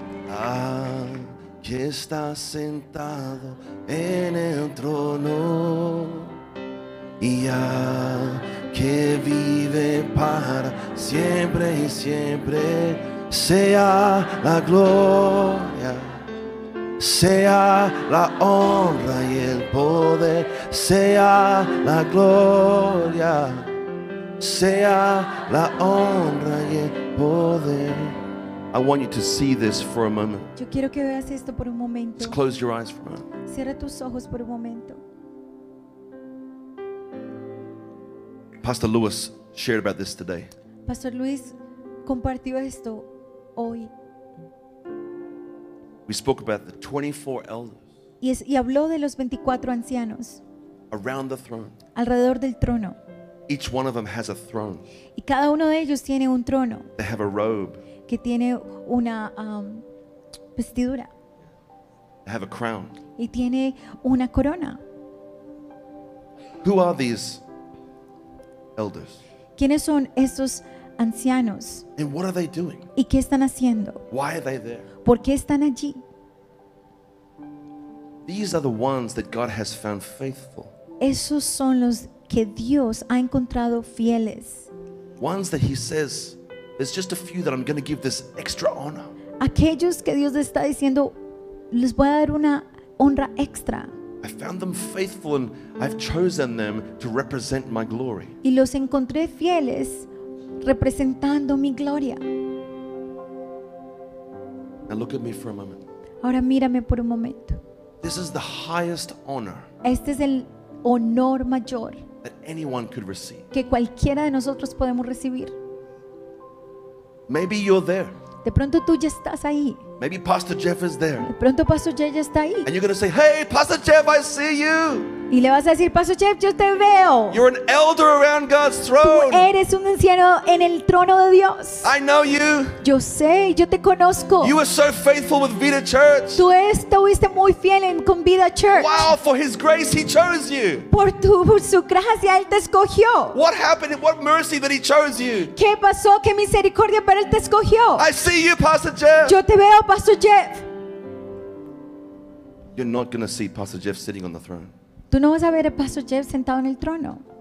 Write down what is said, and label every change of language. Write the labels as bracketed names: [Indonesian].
[Spanish] Al que está sentado en el trono y al que vive para siempre y siempre, sea la gloria, sea la honra y el poder, sea la gloria, sea la honra y el poder. [English] I want you to see this for a moment. [Spanish] Yo quiero que veas esto por un momento. [English] Just close your eyes for a moment. [Spanish] Cierra tus ojos por un momento. [English] Pastor Lewis shared about this today. [Spanish] Pastor Luis compartió esto hoy. [English] We spoke about the 24 elders. [Spanish] Y habló de los 24 ancianos. [English] Around the throne. [Spanish] Alrededor del trono. [English] Each one of them has a throne. [Spanish] Y cada uno de ellos tiene un trono. [English] They have a robe. [Spanish] Que tiene una vestidura. [English] They have a crown. [Spanish] Y tiene una corona. [English] Who are these elders? [Spanish] ¿Quiénes son estos ancianos? [English] And what are they doing? [Spanish] ¿Y qué están haciendo? [English] Why are they there? [Spanish] ¿Por qué están allí? [English] These are the ones that God has found faithful. [Spanish] Esos son los que Dios ha encontrado fieles. [English] Ones that he says, there's just a few that I'm going to give this extra honor. [Spanish] Aquellos que Dios está diciendo, les voy a dar una honra extra. [English] I found them faithful and I've chosen them to represent my glory. [Spanish] Y los encontré fieles representando mi gloria. [English] Now look at me for a moment. [Spanish] Ahora mírame por un momento. [English] This is the highest honor. [Spanish] Este es el honor mayor [English] that anyone could receive. [Spanish] Que cualquiera de nosotros podemos recibir. [English] Maybe you're there. [Spanish] De pronto tú ya estás ahí. [English] Maybe Pastor Jeff is there. [Spanish] De pronto Pastor Jeff está ahí. [English] And you're gonna say, "Hey, Pastor Jeff, I see you." [Spanish] Y le vas a decir, Pastor Jeff, yo te veo. [English] You're an elder around God's throne. [Spanish] Tú eres un anciano en el trono de Dios. [English] I know you. [Spanish] Yo sé, yo te conozco. [English] You were so faithful with Vida Church. [Spanish] Tú estuviste muy fiel con Vida Church. [English] Wow, for His grace, He chose you. [Spanish] Por su gracia, Él te escogió. [English] What happened? What mercy that He chose you? [Spanish] ¿Qué pasó? ¿Qué misericordia para Él te escogió? [English] I see you, Pastor Jeff. [Spanish] Yo te veo, Pastor Jeff. [English] You're not going to see Pastor Jeff sitting on the throne. [Spanish] Tú no vas a ver a Pastor Jeff sentado en el trono.